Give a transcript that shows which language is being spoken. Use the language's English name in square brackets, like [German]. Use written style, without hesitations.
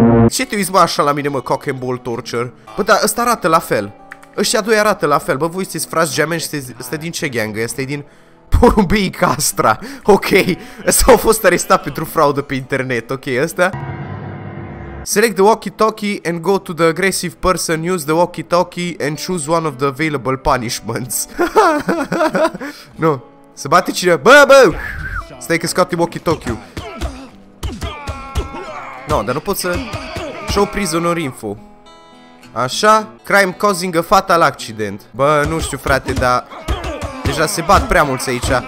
[Romanian] Ce te uiți, bă, așa la mine, mă, [English] cock and ball torture? [Romanian] Bă, dar ăsta arată la fel. Ăștia doi arată la fel, bă, voi sunteți frați geameni și sunteți din ce gangă? Este din Porumbii Castra, ok? Ăsta au fost arestat pentru fraudă pe internet, ok, ăsta? [English] Select the walkie-talkie and go to the aggressive person, use the walkie-talkie and choose one of the available punishments. [Romanian] Nu, se bate cine? Bă! Stai că scoate walkie-talkie-ul. No, dar nu pot să... [English] Show prisoner info. Așa, crime causing a fatal accident. [Romanian] Bă, nu știu, frate, dar deja se bat prea mulți aici.